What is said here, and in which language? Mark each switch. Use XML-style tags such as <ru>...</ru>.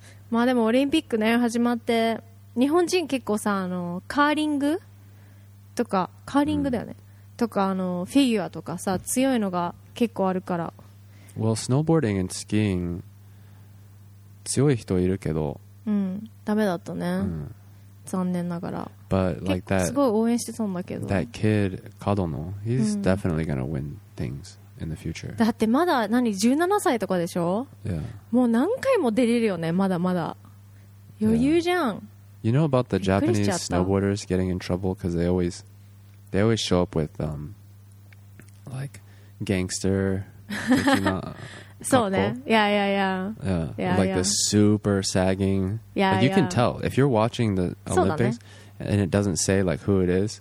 <ja>まあでもオリンピックね、始まって日本人結構さ、カーリングとか、カーリングだよね、とか、フィギュアとかさ、強いのが結構あるから。</ja> <en>Well, snowboarding and skiing</en> <ja>強い人いるけど、うん、ダメだったね、残念ながら。</ja> <en>But like that,</en> <ja>結構すごい応援してたんだけど。</ja> <en>That kid, Kadono, he's definitely gonna win things in the future.</en> <ja>だってまだ何、17歳とかでしょ。</ja> <en>Yeah.</en> <ja>もう何回も出れるよね、まだまだ。余裕じゃん。Yeah.</ja> <en>You know about the Japanese snowboarders getting in trouble because they always show up with like gangster.</en> <ja>そうね。</ja> <en>Yeah. Like the super sagging. Yeah. Like, you can tell if you're watching the Olympics. And it doesn't say like who it is.</en>